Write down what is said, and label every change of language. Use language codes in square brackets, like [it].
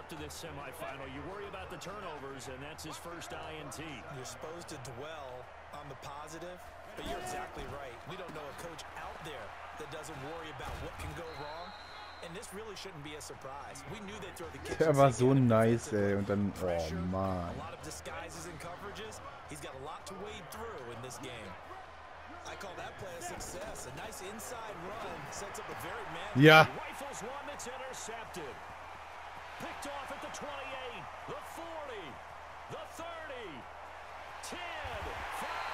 [en] Semi-final, you worry about the turnovers, and that's his first INT. You're supposed to dwell on the positive, but you're exactly right. We don't know a coach out there that doesn't worry about what can go wrong, and this really shouldn't be a surprise. We knew they'd throw the kitchen sink. [de] Der war so nice, ey, und dann, oh man. [en] A lot of disguises and coverages. He's got a lot to wade through in this game. I call that play a success. A nice inside run sets up a very man. Yeah. Rifles one that's intercepted. Picked off at the 28, the 40, the 30, 10, 5.